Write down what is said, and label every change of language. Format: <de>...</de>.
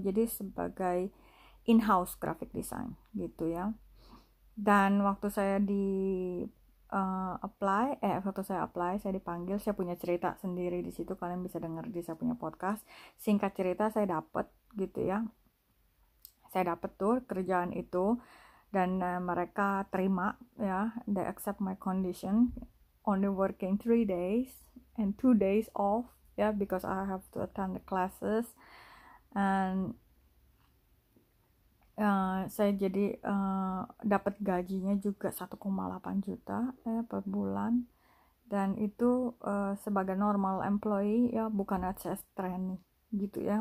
<id>Jadi sebagai in-house graphic design gitu ya. Dan waktu saya di apply, saya dipanggil, saya punya cerita sendiri di situ, kalian bisa dengar di saya punya podcast. Singkat cerita, saya dapat gitu ya. Saya dapat tuh kerjaan itu. Dan mereka terima ya,</id> <en>they accept my condition, only working 3 days and 2 days off ya, yeah, because I have to attend the classes.</en> <id>And saya jadi dapat gajinya juga 1,8 juta ya per bulan, dan itu sebagai</id> <en>normal employee</en> <id>ya, bukan access trainee gitu ya.</id>